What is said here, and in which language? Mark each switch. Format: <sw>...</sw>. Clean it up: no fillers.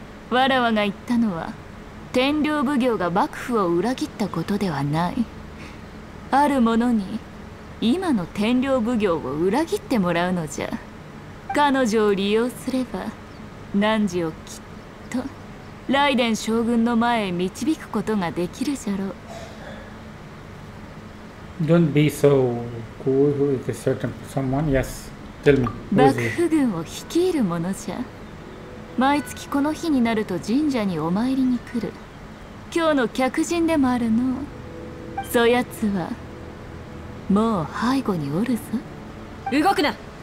<ja>わらわが言ったのは天領奉行が幕府を裏切ったことではない。ある者に今の天領奉行を裏切ってもらうのじゃ。彼女を利用すれば汝をきっとライデン将軍の前へ導くことができるじゃろう。</ja> <en>Don't be so cool with a certain someone. Yes, tell me.</en> <ja>幕府軍を率いる者じゃ。毎月この日になると神社にお参りに来る。今日の客人でもあるの。そやつはもう背後におるぞ。動くな。</ja>